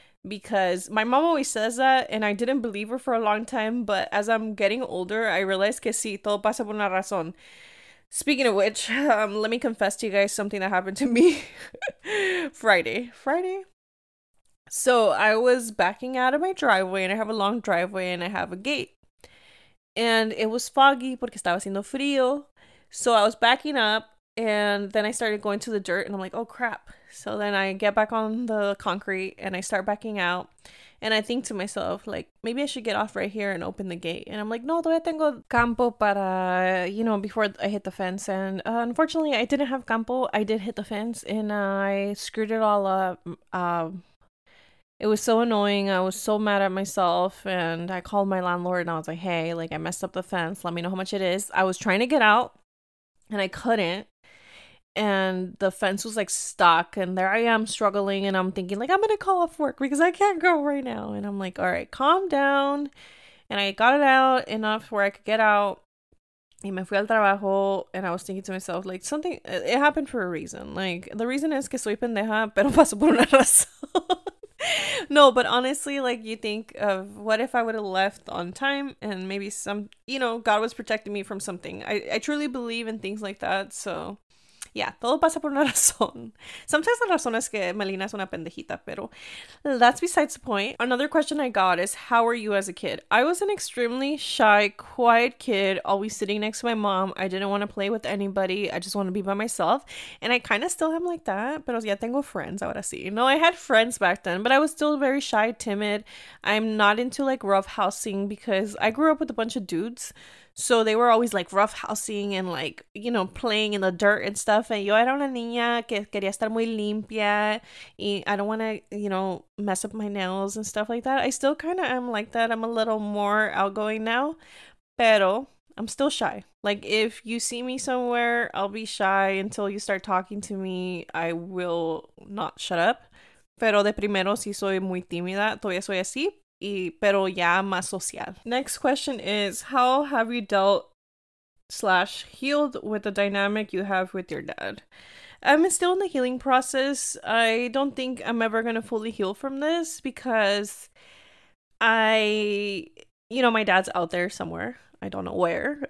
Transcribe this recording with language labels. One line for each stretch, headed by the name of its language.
English: Because my mom always says that, and I didn't believe her for a long time, but as I'm getting older, I realize
Spanish: que sí, todo pasa por una razón.
English: Speaking of which, let me confess to you guys something that happened to me Friday. So I was backing out of my driveway, and I have a long driveway, and I have a gate. And it was foggy
Spanish: porque estaba haciendo frío.
English: So I was backing up, and then I started going to the dirt, and I'm like, oh, crap. So then I get back on the concrete and I start backing out. And I think to myself, like, maybe I should get off right here and open the gate. And I'm like, no,
Spanish: todavía tengo campo para,
English: you know, before I hit the fence. And unfortunately, I didn't have campo. I did hit the fence and I screwed it all up. It was so annoying. I was so mad at myself. And I called my landlord and I was like, hey, like, I messed up the fence. Let me know how much it is. I was trying to get out and I couldn't. And the fence was, like, stuck. And there I am struggling. And I'm thinking, like, I'm going to call off work because I can't go right now. And I'm like, all right, calm down. And I got it out enough where I could get out.
Spanish: Y me fui al trabajo.
English: And I was thinking to myself, like, something, it happened for a reason. Like, the reason is
Spanish: que soy pendeja, pero paso por una razón.
English: No, but honestly, like, you think of what if I would have left on time and maybe some, you know, God was protecting me from something. I truly believe in things like that, so. Yeah,
Spanish: todo pasa por una razón.
English: Sometimes the
Spanish: razón es que Melina es una pendejita, pero
English: that's besides the point. Another question I got is, how were you as a kid? I was an extremely shy, quiet kid, always sitting next to my mom. I didn't want to play with anybody. I just wanted to be by myself. And I kind of still am like that,
Spanish: pero ya tengo
English: friends
Spanish: ahora sí.
English: No, I had friends back then, but I was still very shy, timid. I'm not into, like, roughhousing because I grew up with a bunch of dudes. So they were always, like, roughhousing and, like, you know, playing in the dirt and stuff. And
Spanish: yo era una niña que quería estar muy limpia.
English: Y I don't want to, you know, mess up my nails and stuff like that. I still kind of am like that. I'm a little more outgoing now. Pero I'm still shy. Like, if you see me somewhere, I'll be shy until you start talking to me. I will not shut up.
Spanish: Pero de primero sí soy muy tímida. Todavía soy así. Y, pero ya más social.
English: Next question is, how have you dealt / healed with the dynamic you have with your dad? I'm still in the healing process. I don't think I'm ever going to fully heal from this because I, you know, my dad's out there somewhere. I don't know where.